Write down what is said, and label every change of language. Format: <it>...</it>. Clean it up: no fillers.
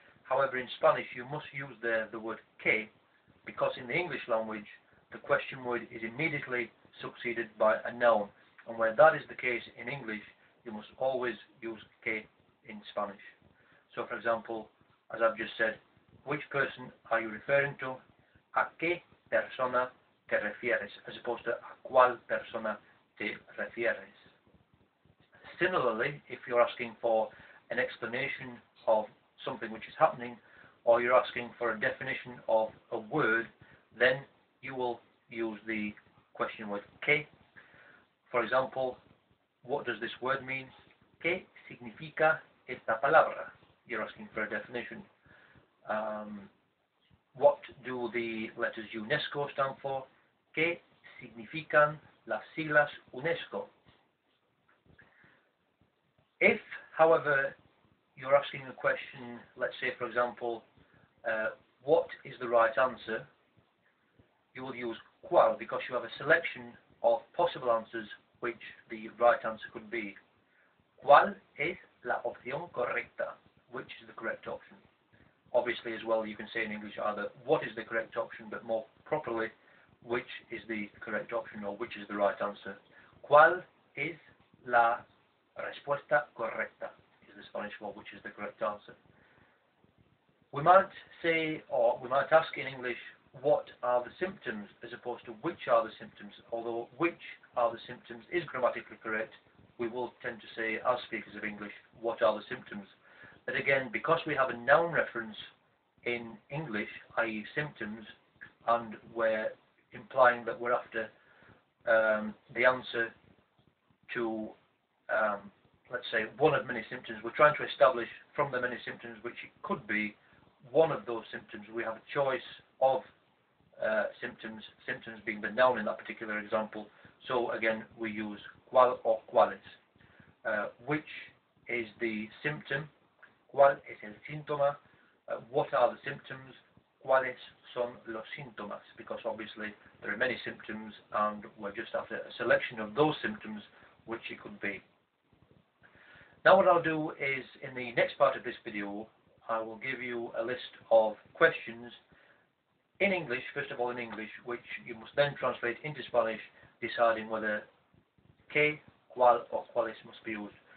<en>However, in Spanish you must use there the word que, because in the English language the question word is immediately succeeded by a noun, and where that is the case in English, you must always use que in Spanish. So for example, as I've just said, which person are you referring to?</en> <es>¿A qué persona te refieres?</es> <en>As opposed to</en> <es>¿a cuál persona te refieres?</es> <en>Similarly, if you're asking for an explanation of something which is happening, or you're asking for a definition of a word, then you will use the question word ¿qué? For example, what does this word mean?</en> <es>¿Qué significa esta palabra?</es> <en>You're asking for a definition. What do the letters UNESCO stand for?</en> <es>¿Qué significan las siglas UNESCO?</es> <en>If, however, you're asking a question, let's say for example, what is the right answer? You will use cuál, because you have a selection of possible answers which the right answer could be.</en> <es>¿Cuál es la opción correcta?</es> <en>Which is the correct option? Obviously, as well, you can say in English either what is the correct option, but more properly, which is the correct option or which is the right answer.</en> <es>¿Cuál es la respuesta correcta?</es> <en>Is the Spanish for which is the correct answer. We might say, or we might ask in English, what are the symptoms, as opposed to which are the symptoms. Although which are the symptoms is grammatically correct, we will tend to say, as speakers of English, what are the symptoms. But again, because we have a noun reference in English, i.e. symptoms, and we're implying that we're after the answer to, let's say, one of many symptoms, we're trying to establish from the many symptoms which it could be one of those symptoms. We have a choice of symptoms being the noun in that particular example. So again, we use cuál or cuáles. Which is the symptom?</en> <es>¿Cuál es el síntoma?</es> <en>What are the symptoms?</en> <es>¿Cuáles son los síntomas?</es> <en>Because obviously there are many symptoms and we're just after a selection of those symptoms which it could be. Now what I'll do is, in the next part of this video, I will give you a list of questions in English, first of all in English, which you must then translate into Spanish, deciding whether que, cuál or cuáles must be used.</en>